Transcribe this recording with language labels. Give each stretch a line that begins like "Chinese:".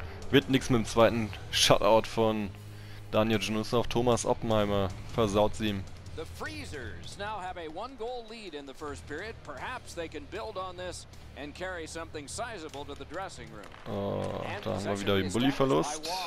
German: Wird nichts mit dem zweiten Shutout von Daniel Junusov auf Thomas Oppenheimer. Versaut sie ihm.
English: The Freezers now have a one-goal lead in the first period. Perhaps they can build on this and carry something sizable to the dressing room.
German: Oh, da haben wir wieder den Bulli-Verlust.